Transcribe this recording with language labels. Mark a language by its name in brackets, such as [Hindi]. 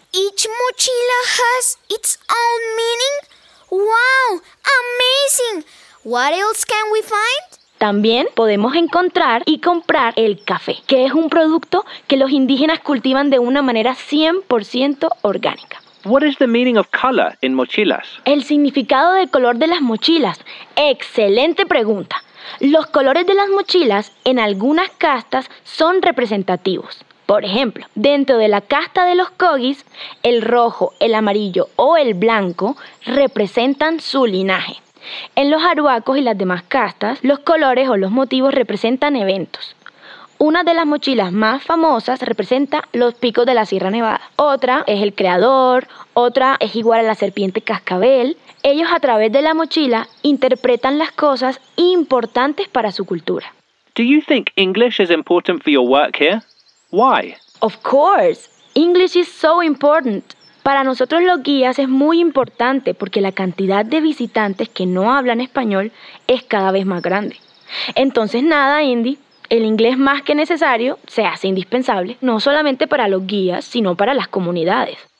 [English] Each mochila has its own meaning? Wow, amazing! What else can we find? [Spanish] También podemos encontrar y comprar el café, que es un producto que los indígenas cultivan de una manera 100% orgánica. [English] What is the meaning of color in mochilas? [Spanish] El significado del color de las mochilas. Excelente pregunta. Los colores de las mochilas en algunas castas son representativos. Por ejemplo, dentro de la casta de los kogis, el rojo, el amarillo o el blanco representan su linaje. En los aruacos y las demás castas, los colores o los motivos representan eventos. Una de las mochilas más famosas representa los picos de la Sierra Nevada. Otra es el creador, otra es igual a la serpiente cascabel. Ellos a través de la mochila interpretan las cosas importantes para su cultura. [English] Do you think English is important for your work here? Why? Of course. English is so important. [Spanish] Para nosotros los guías es muy importante porque la cantidad de visitantes que no hablan español es cada vez más grande. Entonces nada, Indy, el inglés más que necesario se hace indispensable, no solamente para los guías, sino para las comunidades.